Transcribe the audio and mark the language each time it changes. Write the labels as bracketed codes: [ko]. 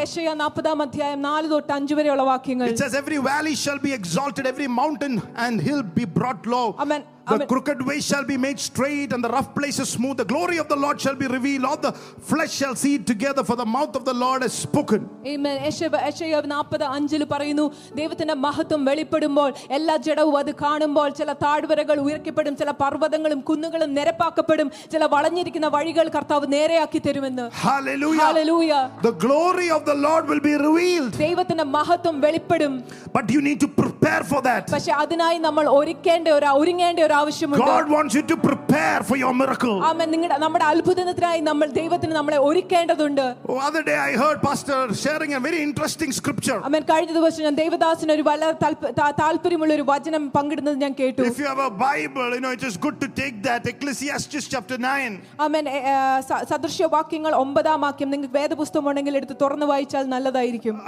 [ml] Isaiah 40-ാം അധ്യായം 4 തൊട്ട് 5 വരെയുള്ള വാക്യങ്ങൾ. [en] It says every valley shall be exalted, every mountain and hill be brought low. Amen. The crooked way shall be made straight and the rough places smooth. The glory of the Lord shall be revealed. All the flesh shall see it together for the mouth of the Lord has spoken. Amen. [ml] Isaiah 40:5 പറയുന്നു ദൈവത്തിന്റെ മഹത്വം വെളിപ്പെടുമ്പോൾ എല്ലാ ജഡവും അത് കാണുമ്പോൾ ചില താഴ്വരകൾ ഉയർത്തപ്പെടും ചില പർവ്വതങ്ങളും കുന്നുകളും നിരപ്പാക്കപ്പെടും ചില വളഞ്ഞിരിക്കുന്ന വഴികൾ കർത്താവ് നേരെയാക്കി തരുമെന്ന്. [en] Hallelujah. Hallelujah. The glory of the Lord will be revealed. [ml] ദൈവത്തിന്റെ മഹത്വം വെളിപ്പെടും. [en] But you need to prepare for that. [ml] പക്ഷേ അതിനായി നമ്മൾ ഒരുക്കേണ്ട ഒരുങ്ങേണ്ട [en] God wants you to prepare for your miracle. Amen. [ml] നിങ്ങളുടെ നമ്മുടെ അത്ഭുതത്തിനായി നമ്മൾ ദൈവത്തിന് നമ്മളെ ഒരുക്കേണ്ടതുണ്ട്. [en] Other day I heard pastor sharing a very interesting scripture. Amen. [ml] കഴിഞ്ഞ ദിവസം ഞാൻ ദൈവദാസന് ഒരു വളരെ താൽപര്യമുള്ള ഒരു വചനം പങ്കിടുന്നത് ഞാൻ കേട്ടു. [en] If you have a Bible, you know it is good to take that Ecclesiastes chapter 9. Amen. [ml] സദൃശ്യ വാക്യങ്ങൾ 9-ാം വാക്യം നിങ്ങൾ വേദപുസ്തകം ഉണ്ടെങ്കിൽ എടുത്ത് തുറന്നു വായിച്ചാൽ നല്ലതായിരിക്കും.